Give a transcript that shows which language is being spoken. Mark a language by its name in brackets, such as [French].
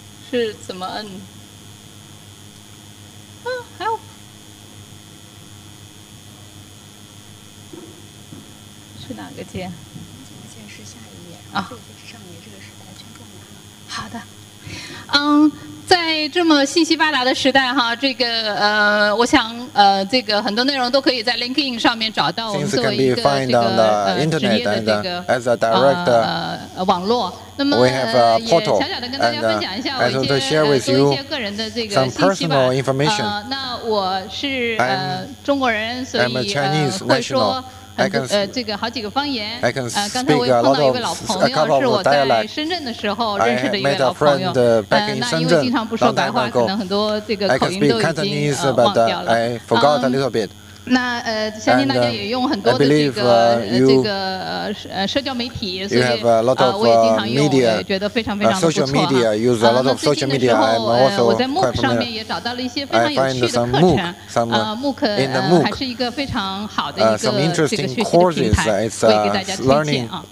[Chinese] 是怎么摁？还有是哪个键？这个键是下一页，这个是上面，这个是完全重要的。好的，在这么信息发达的时代哈，这个我想这个很多内容都可以在 LinkedIn 上面找到我们作为一个职业的这个网络。 [English] We have a portal, and I'd like to share with you some personal information. I'm a Chinese national. I can speak a couple of dialects. I met a friend back in Shenzhen long time ago. I can speak Cantonese, but I forgot a little bit. [Chinese] 那相信大家也用很多这个社交媒体，也是这个我也经常用，我也觉得非常非常有趣的课程。我在MOOC上面也找到了一些非常有趣的课程。MOOC是一个非常好的一个学习平台，我给大家推荐。